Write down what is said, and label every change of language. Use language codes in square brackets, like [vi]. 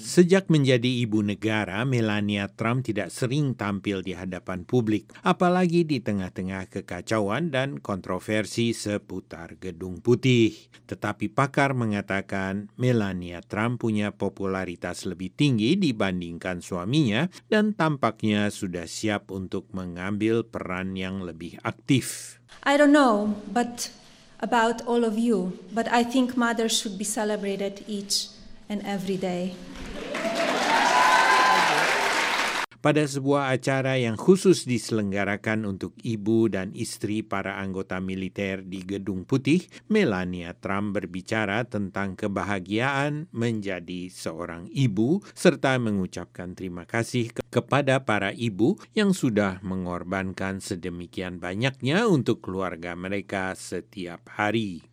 [id] Sejak menjadi ibu negara, Melania Trump tidak sering tampil di hadapan publik, apalagi di tengah-tengah kekacauan dan kontroversi seputar Gedung Putih. Tetapi pakar mengatakan Melania Trump punya popularitas lebih tinggi dibandingkan suaminya, dan tampaknya sudah siap untuk mengambil peran yang lebih aktif. [en] I don't know but about all of you, but I think mothers should be celebrated each and every day. [id] Pada sebuah acara yang khusus diselenggarakan untuk ibu dan istri para anggota militer di Gedung Putih, Melania Trump berbicara tentang kebahagiaan menjadi seorang ibu serta mengucapkan terima kasih kepada para ibu yang sudah mengorbankan sedemikian banyaknya untuk keluarga mereka setiap hari.